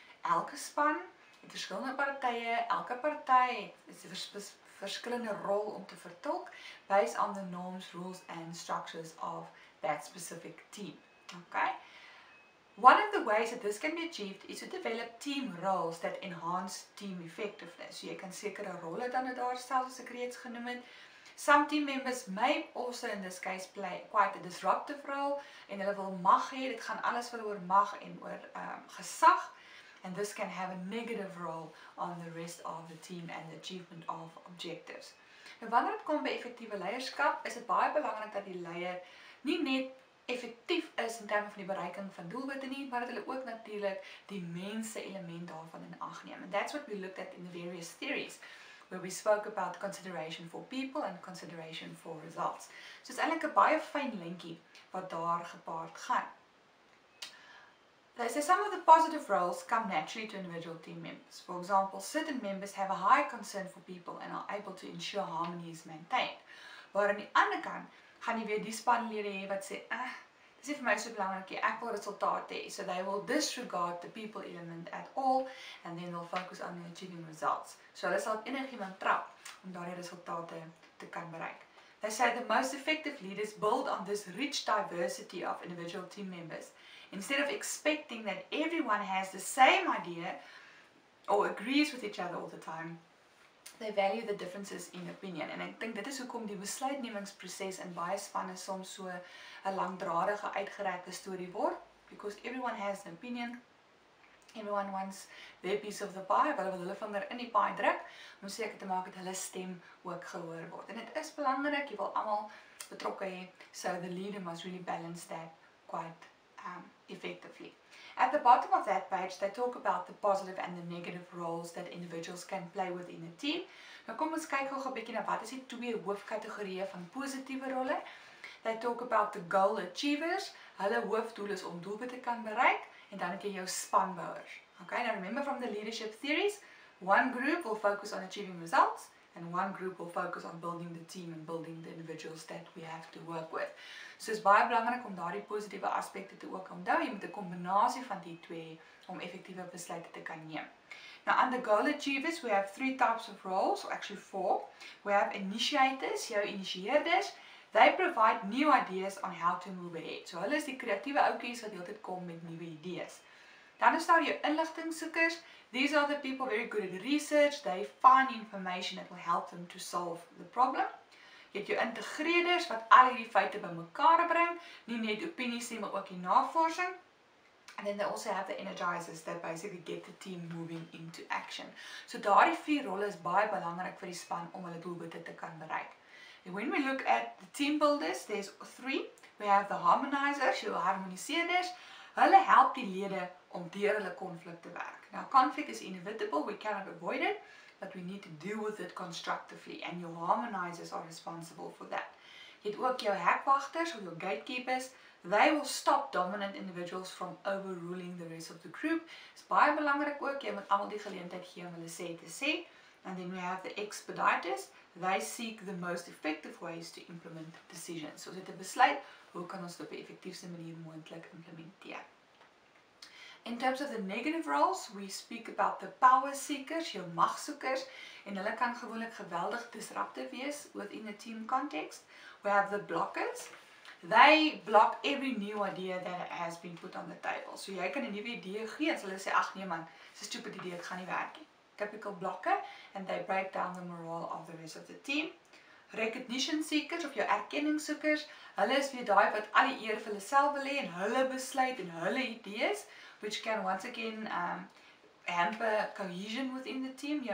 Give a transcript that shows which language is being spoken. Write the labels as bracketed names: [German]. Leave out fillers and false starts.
[Afrikaans] Elke span, het verskillende partye, elke party het 'n verskillende rol om te vertolk [English] based on the norms, rules and structures of that specific team. Okay? One of the ways that this can be achieved is to develop team roles that enhance team effectiveness. [Afrikaans] So jy kan sekere rolle dan daar stel, soos ek reeds genoem het. [English] Some team members may also in this case play quite a disruptive role [Afrikaans] en hulle wil mag hê, dit gaan alles vir oor mag en oor gesag, [English] and this can have a negative role on the rest of the team and the achievement of objectives. [Afrikaans] Nou wanneer dit kom by effektiewe leierskap, is dit baie belangrik dat die leier nie net effektief is in terme van die bereiking van doelwitte nie, maar dat hulle ook natuurlik die mense element daarvan in ag neem. [English] And that's what we looked at in the various theories, where we spoke about consideration for people and consideration for results. So it's [Afrikaans] eintlik 'n baie fyn linkie wat daar gepaard gaan. [English] They say some of the positive roles come naturally to individual team members. For example, certain members have a high concern for people and are able to ensure harmony is maintained. [Afrikaans] Waar aan die ander kant, gaan jy weer die spanlede hê wat sê, dis nie vir my so belangrik nie, ek wil resultate hê. [English] So they will disregard the people element at all, and then they'll focus on the achieving results. [Afrikaans] So hulle sal enigiemand trap om daardie resultate te kan bereik. [English] They say the most effective leaders build on this rich diversity of individual team members. Instead of expecting that everyone has the same idea, or agrees with each other all the time, they value the differences in opinion. And I think [Afrikaans] dit is hoekom die besluitnemingsproses in baie spanne soms so 'n langdradige uitgerekte storie word, [English] because everyone has an opinion. Everyone wants their piece of the pie, [Afrikaans] hulle wil hulle vinger in die pie druk, om seker te maak dat hulle stem ook gehoor word. En dit is belangrik, jy wil almal betrokke hê, [English] so the leader must really balance that quite effectively. At the bottom of that page, they talk about the positive and the negative roles that individuals can play within a team. [Afrikaans] Nou kom ons kyk gou 'n bietjie na wat is die twee hoofkategorieë van positiewe rolle. [English] They talk about the goal achievers. [Afrikaans] Hulle hoofdoel is om doelwitte kan bereik, en dan het jy jou spanbouers. [English] Okay, now remember from the leadership theories, one group will focus on achieving results and one group will focus on building the team and building the individuals that we have to work with. [Afrikaans] So it's baie belangrik om daardie positiewe aspekte te ook onthou. Jy moet 'n kombinasie van die twee om effektiewe besluite te kan neem. [English] Now, on the goal achievers, we have three types of roles, or actually four. We have initiators, [Afrikaans] jou initieerders. [English] They provide new ideas on how to move ahead. [Afrikaans] So hulle is die kreatiewe ouetjies wat heeltyd kom met nuwe idees. Dan is daar jou inligtingsoekers. [English] These are the people very good at research. They find information that will help them to solve the problem. [Afrikaans] Jy het jou integreerders wat al hierdie feite bymekaar bring, nie net opinies nie, maar ook die navorsing. [English] And then they also have the energizers that basically get the team moving into action. [Afrikaans] So daardie vier rolle is baie belangrik vir die span om hulle doelwitte te kan bereik. [English] When we look at the team builders, there's three. We have the harmonizers, [Afrikaans] jou harmoniseerders. Hulle help die lede om deur hulle konflik te werk. [English] Now, conflict is inevitable, we cannot avoid it, but we need to deal with it constructively, and your harmonizers are responsible for that. [Afrikaans] Jy het ook jou hekwagters of jou gatekeepers. [English] They will stop dominant individuals from overruling the rest of the group. It's [Afrikaans] baie belangrik ook, jy moet almal die geleentheid gee om hulle sê te sê. [English] And then we have the expediters. They seek the most effective ways to implement decisions. [Afrikaans] So, dit is 'n besluit, hoe kan ons dit op die effektiefste manier moontlik implementeer? [English] In terms of the negative roles, we speak about the power seekers, [Afrikaans] jou magsoekers, en hulle kan gewoonlik geweldig disruptief wees [English] within a team context. We have the blockers. They block every new idea that has been put on the table. [Afrikaans] So jy kan 'n nuwe idee gee en hulle sê ag nee man, dis 'n stupid idee, dit gaan nie werk nie. [English] Typical blocker, and they break down the morale of the rest of the team. [Afrikaans] Recognition seekers of jou erkenningsoekers, hulle is weer daai wat al die eer vir hulle self wil hê en hulle besluit en hulle idees, [English] which can once again hamper cohesion within the team.